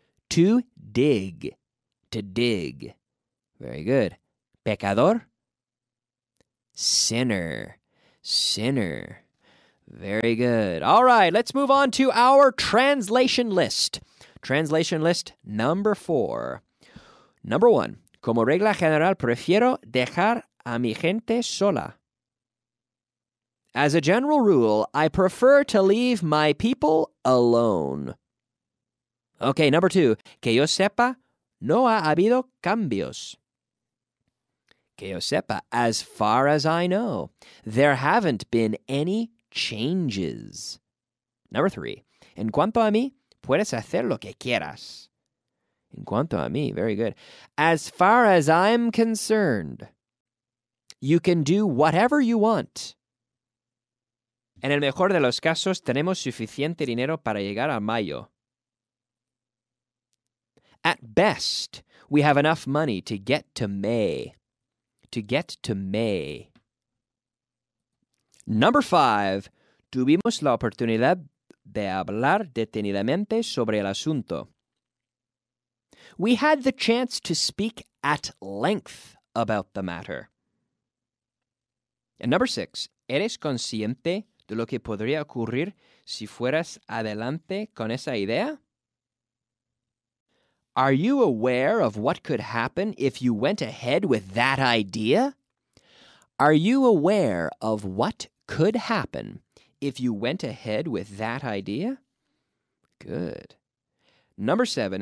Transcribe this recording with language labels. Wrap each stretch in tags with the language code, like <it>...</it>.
<en>To dig. To dig. Very good. Pecador. Sinner. Sinner. Very good. All right, let's move on to our translation list. Translation list number 4. Number 1.</en> <es>Como regla general, prefiero dejar a mi gente sola.</es> <en>As a general rule, I prefer to leave my people alone. Okay, number 2.</en> <es>Que yo sepa, no ha habido cambios. Que yo sepa,</es> <en>as far as I know, there haven't been any changes. Number 3.</en> <es>En cuanto a mí, puedes hacer lo que quieras. En cuanto a mí,</es> <en>very good. As far as I'm concerned, you can do whatever you want.</en> <es>En el mejor de los casos, tenemos suficiente dinero para llegar a mayo.</es> <en>At best, we have enough money to get to May. To get to May. Number 5.</en> <es>Tuvimos la oportunidad de hablar detenidamente sobre el asunto.</es> <en>We had the chance to speak at length about the matter. And number 6.</en> <es>¿Eres consciente de lo que podría ocurrir si fueras adelante con esa idea?</es> <en>Are you aware of what could happen if you went ahead with that idea? Are you aware of what could happen if you went ahead with that idea? Good. Number 7.</en>